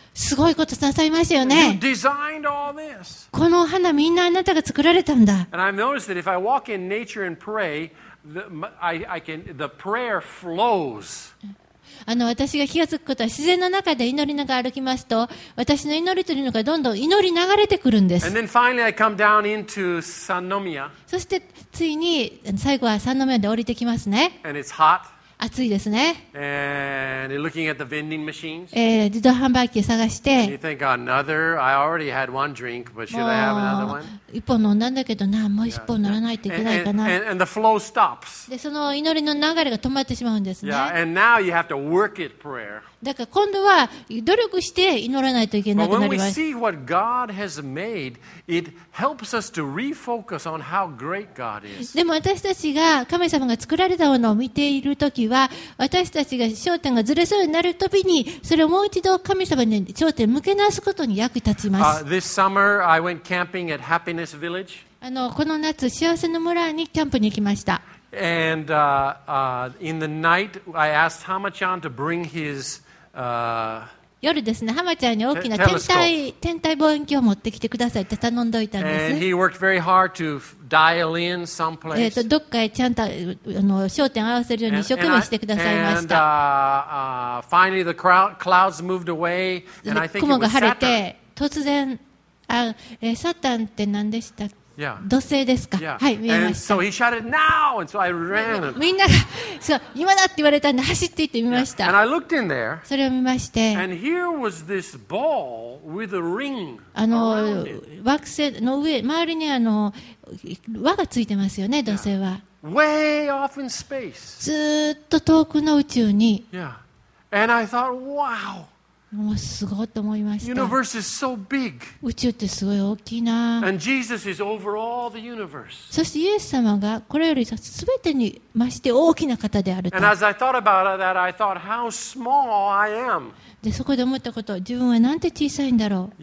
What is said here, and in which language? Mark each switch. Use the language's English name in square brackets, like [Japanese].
[Japanese] すごいことなさいましたよね。 [English] You designed all this. [Japanese] この花みんなあなたが作られたんだ。 [English] And I've noticed that if I walk in nature and pray, the prayer flows. [Japanese] 私が気がつくことは、自然の中で祈りながら歩きますと、私の祈りというのがどんどん祈り流れてくるんです。 [English] And then finally I come down into Sannomiya. [Japanese] そしてついに最後は三宮で降りてきますね。 [English] And it's hot. [Japanese] 暑いですね。 [English] And looking at the vending machines. [Japanese] 自動販売機探して。 [English] And you think another? I already had one drink, but should I have another one? [Japanese] 一本飲んだんだけどな、もう一本乗らないといけないかな。 [English] And the flow stops. [Japanese] で、その祈りの流れが止まってしまうんですね。 [English] Yeah, and now you have to work it, prayer. [Japanese] だから今度は努力して祈らないといけなくなります。 [English] But when we see what God has made, it helps us to refocus on how great God is. [Japanese] でも私たちが神様が作られたものを見ているときは、私たちが焦点がずれそうになるたびに、それをもう一度神様に焦点を向け直すことに役立ちます。 [English] This summer, I went camping at Happy. [Japanese] この夏、幸せの村にキャンプに行きました。 [English] And in the night, I asked Hama-chan to bring his, [Japanese] 夜ですね、Hama-chanに大きな天体望遠鏡を持ってきてくださいって頼んどいたんです。 [English] And he worked very hard to dial in someplace. [Japanese] どっかへちゃんと焦点を合わせるように一生懸命してくださいました。 [English] And finally, the clouds moved away, and I think it was Saturn. [Japanese] 突然サタンって何でしたっけ、yeah. 土星ですか、yeah. はい、見えました。 [English] And so he shouted, "Now!" And so I ran. [Japanese] みんなが、そう、今だって言われたんで走って行ってみました、 [English] yeah. And I looked in there, [Japanese] それを見まして、 [English] And here was this ball with a ring around it. [Japanese] 惑星の上、周りに輪がついてますよね、土星は、 [English] yeah. Way off in space. [Japanese] ずっと遠くの宇宙に、 [English] yeah. And I thought, wow. [Japanese] もうすごいと思いました。 [English] Universe is so big. [Japanese] 宇宙ってすごい大きいな。 [English] And Jesus is over all the universe. [Japanese] そしてイエス様がこれよりすべてに増して大きな方であると。 [English] And as I thought about that, I thought how small I am. [Japanese] でそこで思ったこと、自分はなんて小さいんだろう。